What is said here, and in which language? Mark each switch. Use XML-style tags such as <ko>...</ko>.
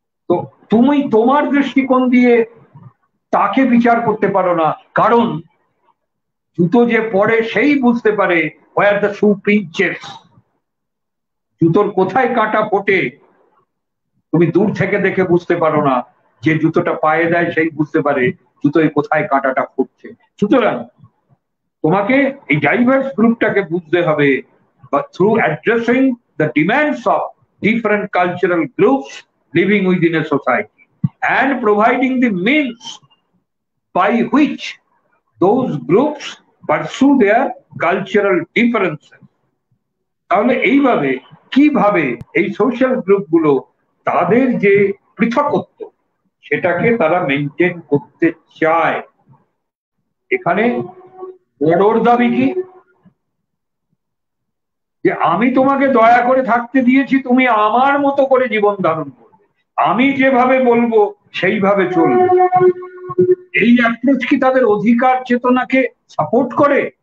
<bn>তো তুমি তোমার দৃষ্টিকোণ দিয়ে তাকে বিচার করতে পারো না, কারণ জুতো যে পরে সেই বুঝতে পারে</bn> <en>where the shoe pinches,</en> <bn>জুতোর কোথায় কাঁটা ফোটে তুমি দূর থেকে দেখে বুঝতে পারো না, যে জুতোটা পায়ে দেয় সেই বুঝতে পারে জুতোয় কোথায় কাঁটাটা ফুটছে। সুতরাং তোমাকে এই ডাইভার্স গ্রুপটাকে বুঝতে হবে</bn> <en>Through addressing the demands of different cultural groups living within a society and providing the means by which those groups pursue their cultural differences.</en> <bn>তাহলে এইভাবে কিভাবে এই সোশ্যাল গ্রুপ গুলো তাদের যে পৃথকত্ব সেটাকে তারা মেনটেন করতে চায়, এখানে বড়র দাবি কি যে আমি তোমাকে দয়া করে থাকতে দিয়েছি, তুমি আমার মতো করে জীবন ধারণ করো, আমি যেভাবে বলবো সেইভাবে চলবে, এই অ্যাপ্রোচ কি তাদের অধিকার চেতনাকে সাপোর্ট করে।</bn>